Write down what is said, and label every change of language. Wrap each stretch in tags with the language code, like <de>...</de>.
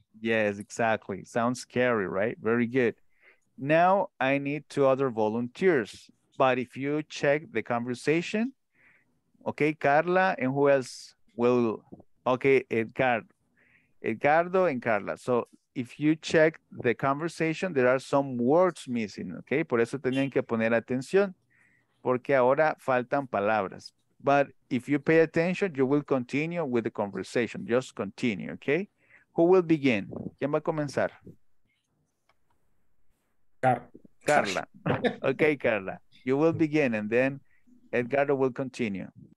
<en>Yes, exactly. Sounds scary, right? Very good. Now I need two other volunteers. But if you check the conversation, okay, Carla, and who else will? Okay, Edgar. Edgardo and Carla. So if you check the conversation, there are some words missing, okay?</en> <es>Por eso tenían que poner atención, porque ahora faltan palabras.</es> <en>But if you pay attention, you will continue with the conversation. Just continue, okay? Who will begin?</en> <es>¿Quién va a comenzar?</es> <en>Carla. Okay, Carla. You will begin and then Edgardo will continue.</en>